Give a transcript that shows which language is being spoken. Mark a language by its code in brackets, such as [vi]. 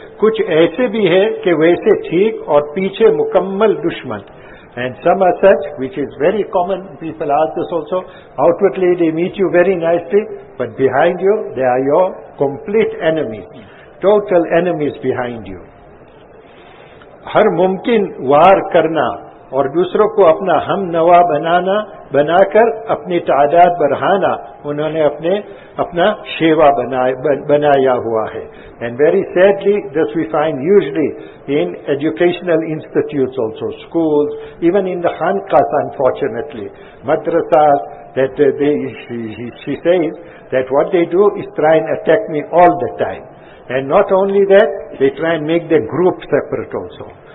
[ur] کچھ ایسے بھی ہے کہ ویسے ٹھیک اور پیچھے مکمل دشمن. [en] And some are such, which is very common, people ask this also, outwardly they meet you very nicely, but behind you, they are your complete enemies, total enemies behind you. [ur] Har mumkin waar karna, اور دوسروں کو اپنا ہم نوا بنانا بنا کر اپنی تعداد بڑھانا انہوں نے اپنا شیوا بنایا ہوا ہے. [en] And very sadly, this we find usually in educational institutes also, schools, even in the khanqahs, unfortunately, madrasas, that she says that what they do is try and attack me all the time. And not only that, they try and make the group separate also.